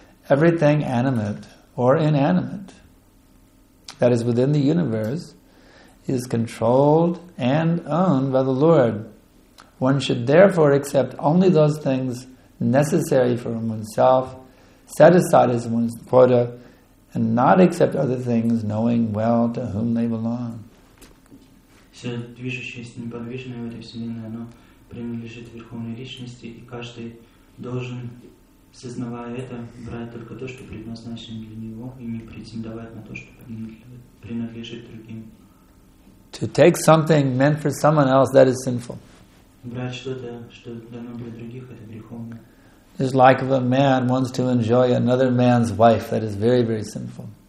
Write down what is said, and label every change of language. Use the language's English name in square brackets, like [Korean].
[English] Everything animate or inanimate that is within the universe is controlled and owned by the Lord. One should therefore accept only those things necessary for oneself, satisfied as one's quota, and not accept other things, knowing well to whom they belong. [Russian] Все движущееся и неподвижное в этой вселенной, оно принадлежит Верховной Личности, и каждый должен, сознавая это, брать только то, что предназначено для него, и не претендовать на то, что принадлежит другим. [English] To take something meant for someone else, that is sinful. [Russian] Брать что-то, что дано для других, это греховно. [English] It's like if a man wants to enjoy another man's wife, that is very, very sinful.